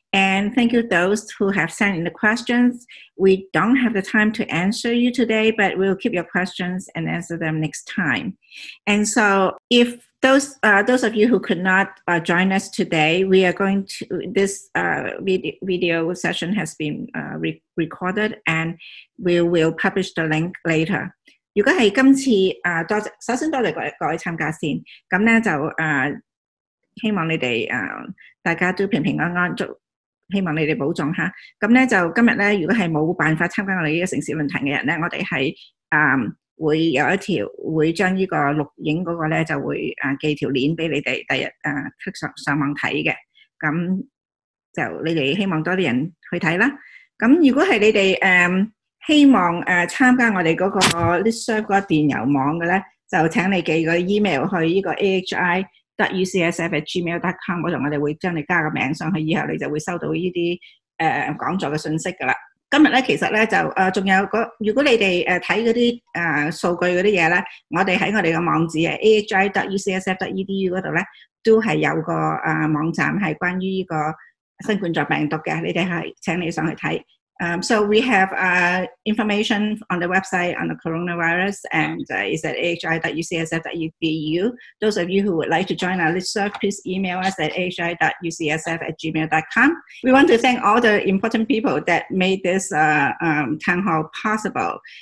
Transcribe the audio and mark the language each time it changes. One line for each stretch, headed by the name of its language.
English: And thank you those who have sent in the questions. We don't have the time to answer you today, but we'll keep your questions and answer them next time. And so if those of you who could not join us today, we are going to, this video session has been recorded and we will publish the link later.
Cantonese: 如果係今次多謝，首先多謝各位參加先。咁咧就希望你哋大家都平平安安，希望你哋保重嚇。咁咧就今日咧，如果係冇辦法參加我哋呢個城市論壇嘅人咧，我哋係會有一條會將呢個錄影嗰個咧就會寄條鏈俾你哋，第日上網睇嘅。咁就你哋希望多啲人去睇啦。咁如果係你哋希望參加我哋嗰個 listserv 嗰個電郵網嘅咧，就請你寄個 email 去呢個 ahi.ucsf@gmail.com 嗰度，我哋會將你加個名上去，以後你就會收到呢啲講座嘅信息噶啦。今日咧其實咧就仲有個，如果你哋睇嗰啲數據嗰啲嘢咧，我哋喺我哋嘅網址啊 ahi.ucsf.edu 嗰度咧，都係有個網站係關於呢個新冠狀病毒嘅，你哋係請你上去睇。
English: So we have information on the website on the coronavirus, and it's at ahi.ucsf.edu. Those of you who would like to join our listserv, please email us at ahi.ucsf@gmail.com. We want to thank all the important people that made this town hall possible.